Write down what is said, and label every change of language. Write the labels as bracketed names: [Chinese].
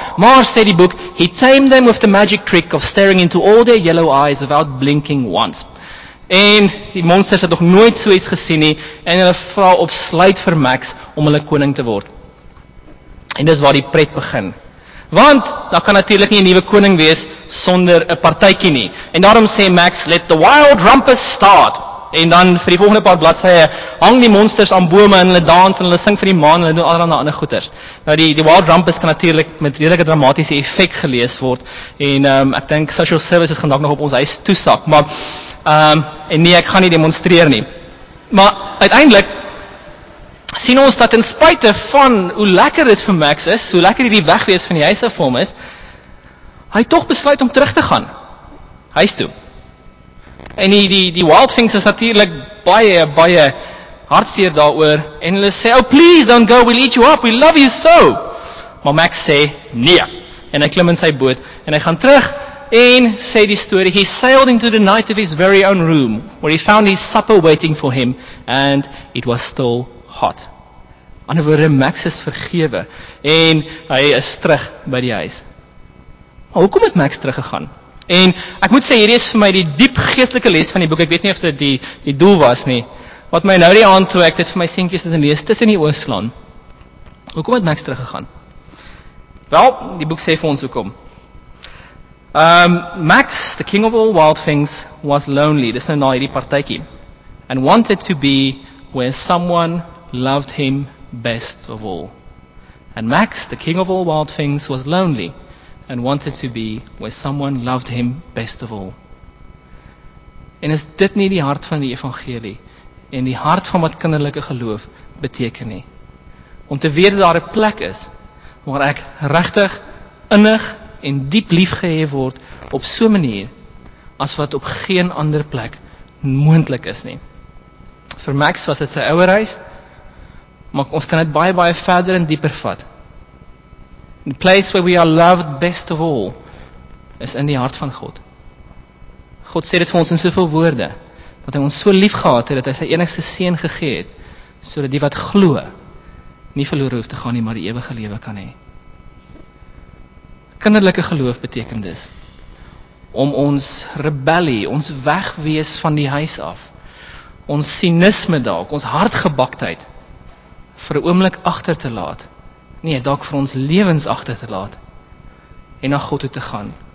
[Afrikaans] Maar sê die boek, [English] he tamed them with the magic trick of staring into all their yellow eyes without blinking once. [Afrikaans] En die monsters het nog nooit so iets gesien nie en hulle vra opsluit vir Max om hulle koning te word. En dis waar die pret begin. Want, daar kan natuurlik nie 'n nuwe koning wees sonder 'n partytjie nie. En daarom sê Max, [English] let the wild rumpus start. [Afrikaans] En dan vir die volgende paar bladsye hang die monsters aan bome en hulle dans en hulle sing vir die maan en hulle doen allerhande ander goeters. Nou die Wild Rumpus kan natuurlik met redelike dramatiese effek gelees word en ek dink social services gaan dalk nog op ons huis toesak, maar en nee, ek gaan nie demonstreer nie. Maar uiteindelik sien ons dat [English] in spite [Afrikaans] van hoe lekker dit vir Max is, hoe lekker hierdie wegwees van die huis af vir hom is, hy toch besluit om terug te gaan huis toe. En die Wild Things is natuurlik baie, baie hartseer daaroor. En hulle sê, [English] oh please don't go, we'll eat you up, we love you so. [Afrikaans] Maar Max sê, nee. En hy klim in sy boot en hy gaan terug. En sê die story, [English] he sailed into the night of his very own room, where he found his supper waiting for him, and it was still hot. [Afrikaans] Ander woorde, Max is vergewe. En hy is terug by die huis. Maar hoekom het Max teruggegaan? En ek moet sê, hier is vir my die diep geestelike les van die boek, ek weet nie of dit die doel was nie, wat my nou die aand toe, ek dit vir my seentjies het in lees, tussen die oorslaan. Hoekom het Max teruggegaan? Wel, die boek sê vir ons hoekom. [English] Max, the king of all wild things, was lonely. [Afrikaans] Dis nou na hierdie partytjie. [English] And wanted to be where someone loved him best of all. And Max, the king of all wild things, was lonely and wanted to be where someone loved him best of all. [Afrikaans] En is dit nie die hart van die evangelie en die hart van wat kinderlike geloof beteken nie? Om te weet dat daar 'n plek is waar ek regtig innig en diep liefgehef word op so 'n manier as wat op geen ander plek moontlik is nie. Vir Max was dit sy ouerhuis, maar ons kan dit baie baie verder en dieper vat. [English] The place where we are loved best of all is [Afrikaans] in die hart van God. God sê dit vir ons in soveel woorde, dat hy ons so lief gehad het, dat hy sy enigste seun gegee het, sodat die wat glo, nie verlore hoef te gaan nie, maar die ewige lewe kan hê. Kinderlike geloof beteken dus, om ons rebellie, ons wegwees van die huis af, ons sinisme dalk, ons hartgebaktheid, vir 'n oomblik agter te laat, nie, dalk vir ons lewens agter te laat, en na God toe te gaan.